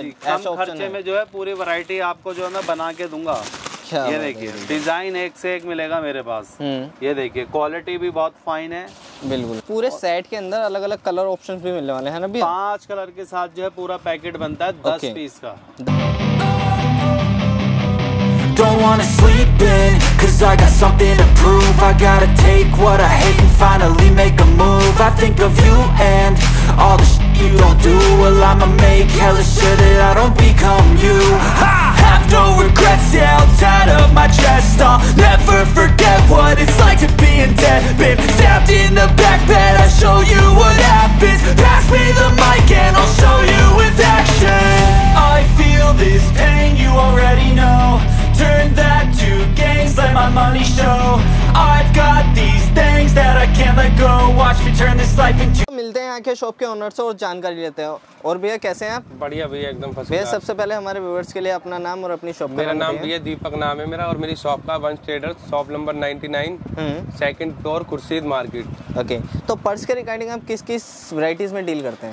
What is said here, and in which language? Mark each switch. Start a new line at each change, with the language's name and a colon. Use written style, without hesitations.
Hindi: कम खर्चे में जो है पूरी वैरायटी आपको जो है मैं बना के दूंगा। ये देखिए डिजाइन एक से एक मिलेगा मेरे पास, ये देखिए क्वालिटी भी बहुत फाइन है। बिल्कुल पूरे सेट के अंदर अलग अलग कलर ऑप्शन भी मिलने वाले हैं ना भैया, 5 कलर के साथ जो है पूरा पैकेट बनता है 10 पीस का।
English: Don't wanna sleep in, cause I got something to prove. I gotta take what I hate and finally make a move. I think of you and all the shit you don't do. Well, I'ma make hella sure that I don't become you. I have no regrets, yeah, I'm tied up my chest. I'll never forget what it's like to be in debt. Been stabbed in the back bed, I show you what happens. Pass me the mic and I'll show you with action. I feel this pain, you already know. Turn that to gains, let my money show. I've got these things that I can't let go. Watch me turn this life into.
Hindi: मिलते हैं यहाँ के shop के owner से और जानकारी लेते हैं। और भैया कैसे हैं आप? बढ़िया भैया, एकदम फर्स्ट। भैया सबसे पहले हमारे व्यूअर्स के लिए अपना नाम और अपनी शॉप। मेरा नाम भैया दीपक नाम है मेरा, और मेरी शॉप का once traders, shop number 99, second floor, Khurshid market. Okay, तो पर्स के रिगार्डिंग आप किस किस वैरायटीज में डील करते हैं?